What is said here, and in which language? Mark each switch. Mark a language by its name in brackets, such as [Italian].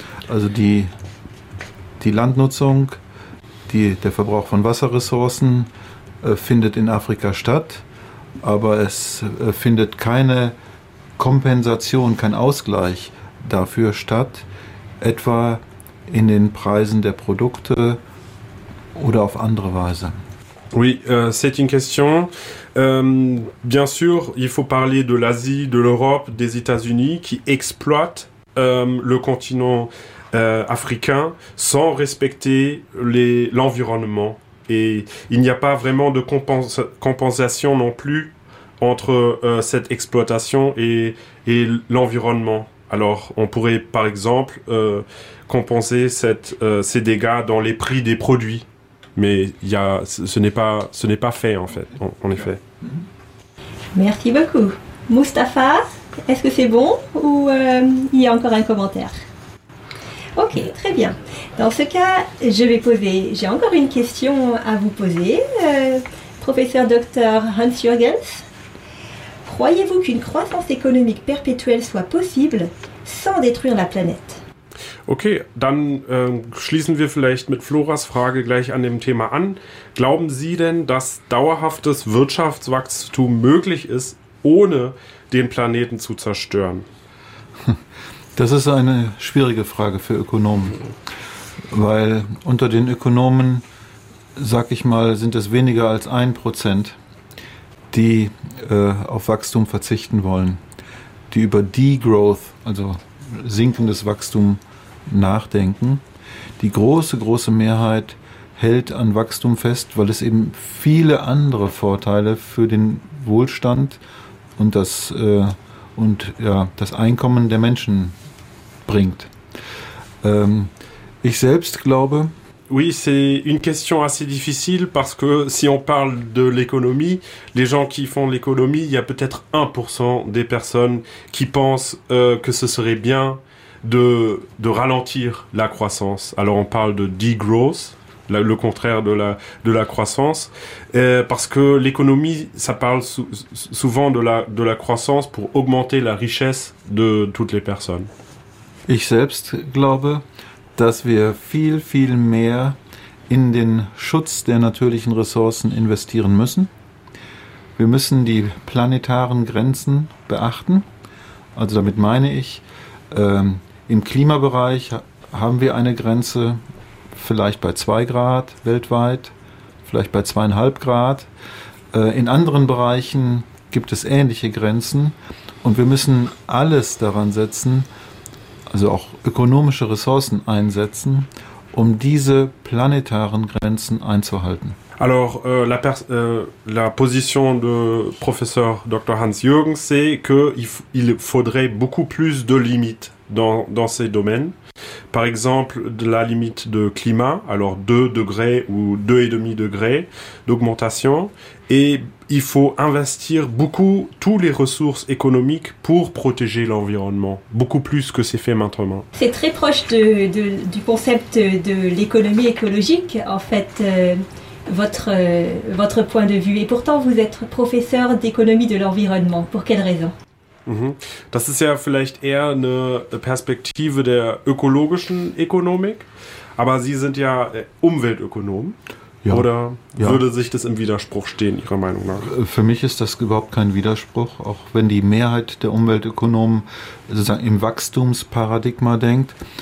[German] Also die Landnutzung, der Verbrauch von Wasserressourcen findet in Afrika statt, aber es findet keine Kompensation, kein Ausgleich dafür statt, etwa in den Preisen der Produkte oder auf andere Weise. [French] Oui, c'est une question. Bien sûr, il faut parler de l'Asie, de l'Europe, des États-Unis qui exploitent le continent africain sans respecter l'environnement. Et il n'y a pas vraiment de compensation non plus entre cette exploitation et l'environnement. Alors, on pourrait, par exemple, compenser ces dégâts dans les prix des produits. Mais ce n'est pas fait, en fait, en effet. Merci beaucoup. Mustapha, est-ce que c'est bon ou il y a encore un commentaire? Ok, très bien. Dans ce cas, j'ai encore une question à vous poser. Professeur Dr. Hans Jürgens, croyez-vous qu'une croissance économique perpétuelle soit possible sans détruire la planète? [German] Ok, dann schließen wir vielleicht mit Floras Frage gleich an dem Thema an. Glauben Sie denn, dass dauerhaftes Wirtschaftswachstum möglich ist, ohne den Planeten zu zerstören? Das ist eine schwierige Frage für Ökonomen, weil unter den Ökonomen, sag ich mal, sind es weniger als 1%, die auf Wachstum verzichten wollen, die über Degrowth, also sinkendes Wachstum, nachdenken. Die große, große Mehrheit hält an Wachstum fest, weil es eben viele andere Vorteile für den Wohlstand und das Einkommen der Menschen bringt. Ich selbst glaube. [French] Oui, c'est une question assez difficile parce que si on parle de l'économie, les gens qui font l'économie, il y a peut-être 1% des personnes qui pensent que ce serait bien de ralentir la croissance. Alors on parle de degrowth, le contraire de la croissance, parce que l'économie, ça parle souvent de la croissance pour augmenter la richesse de toutes les personnes. [German] Ich selbst glaube, dass wir viel, viel mehr in den Schutz der natürlichen Ressourcen investieren müssen. Wir müssen die planetaren Grenzen beachten. Also damit meine ich, im Klimabereich haben wir eine Grenze, vielleicht bei 2 Grad weltweit, vielleicht bei 2,5 Grad. In anderen Bereichen gibt es ähnliche Grenzen und wir müssen alles daran setzen, also auch ökonomische Ressourcen einsetzen, um diese planetaren Grenzen einzuhalten. [French] Alors, la position de professeur Dr. Hans Jürgens, c'est qu'il faudrait beaucoup plus de limites dans ces domaines. Par exemple, de la limite de climat, alors 2 degrés ou 2,5 degrés d'augmentation. Et il faut investir beaucoup, toutes les ressources économiques pour protéger l'environnement, beaucoup plus que c'est fait maintenant. C'est très proche du concept de l'économie écologique, en fait, votre point de vue. Et pourtant, vous êtes professeur d'économie de l'environnement. Pour quelle raison ? [German] Das ist ja vielleicht eher eine Perspektive der ökologischen Ökonomik, aber Sie sind ja Umweltökonom, ja. Oder ja. Würde sich das im Widerspruch stehen, Ihrer Meinung nach? Für mich ist das überhaupt kein Widerspruch, auch wenn die Mehrheit der Umweltökonomen sozusagen im Wachstumsparadigma denkt.